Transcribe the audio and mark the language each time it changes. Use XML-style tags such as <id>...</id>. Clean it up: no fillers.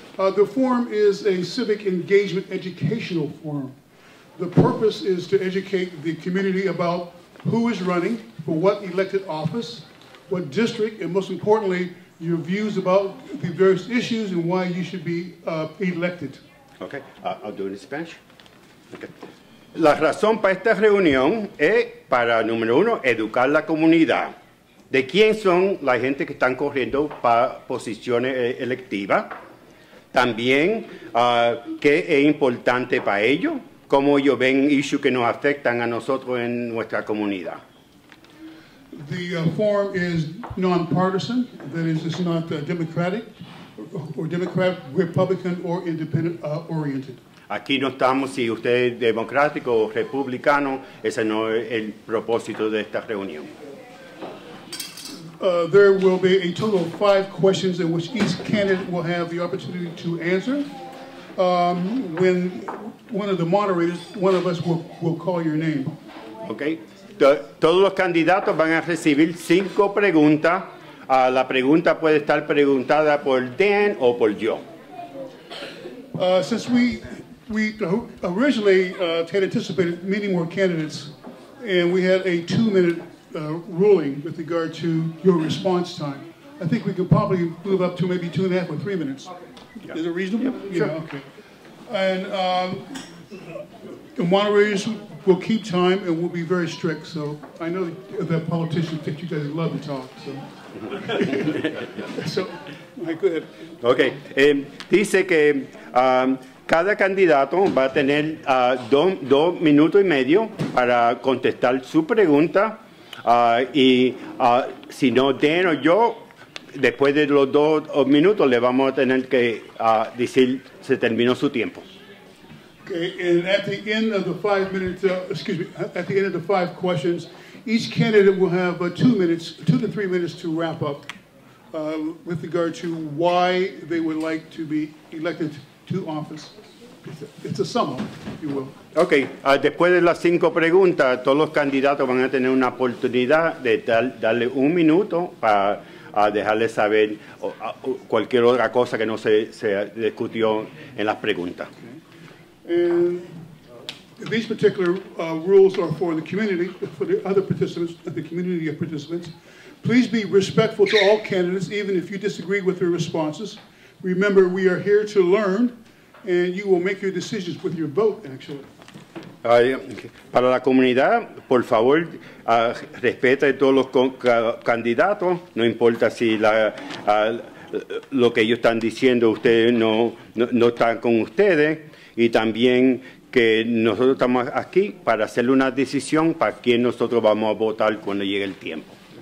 <en>The forum is a civic engagement educational forum. The purpose is to educate the community about who is running for what elected office, what district, and most importantly, your views about the various issues and why you should be elected. Okay, I'll do it in Spanish. Okay.</en> <es>La razón para esta reunión es para, número uno, educar la comunidad. De quién son la gente que están corriendo para posiciones electivas. También, qué es importante para ellos, cómo ellos ven issues que nos afectan a nosotros en nuestra comunidad.</es> <en>The forum is nonpartisan, that is, it's not democratic, or Democrat, Republican, or independent oriented.</en> <es>Aquí no estamos si usted es democrático o republicano, ese no es el propósito de esta reunión.</es> <en>There will be a total of 5 questions in which each candidate will have the opportunity to answer. When one of the moderators, one of us will call your name.</en> <es>Okay. Todos los candidatos van a recibir 5 preguntas. La pregunta puede estar preguntada por Dan o por yo.</es> <en>Since we originally had anticipated many more candidates, and we had a 2-minute ruling with regard to your response time, I think we could probably move up to maybe 2.5 or 3 minutes. Okay. Is it reasonable? Yep. Sure. Yeah, okay. And the moderators will keep time and will be very strict, so I know that politicians think you guys love to talk, so. So, go ahead.</en> <es>Okay. Dice que cada candidato va a tener 2.5 minutos para contestar su pregunta. Y si no Dan o yo, después de los 2 minutos le vamos a tener que decir se terminó su tiempo.</es> <en>Okay, and at the end of the 5 minutes, at the end of the 5 questions, each candidate will have 2 to 3 minutes to wrap up with regard to why they would like to be elected to office. It's a sum up, if you will.</en> <es>Okay, después de las 5 preguntas, todos los candidatos van a tener una oportunidad de darle 1 minuto para dejarles saber cualquier otra cosa que no se discutió en las preguntas.</es> <en>Okay. And these particular rules are for the community, for the other participants, the community of participants. Please be respectful to all candidates, even if you disagree with their responses. Remember, we are here to learn, and you will make your decisions with your vote, actually.</en> <es>Para la comunidad, por favor, respeta a todos los candidatos. No importa si lo que ellos están diciendo ustedes no están con ustedes. Y también que nosotros estamos aquí para hacer una decisión para quién nosotros vamos a votar cuando llegue el tiempo.</es>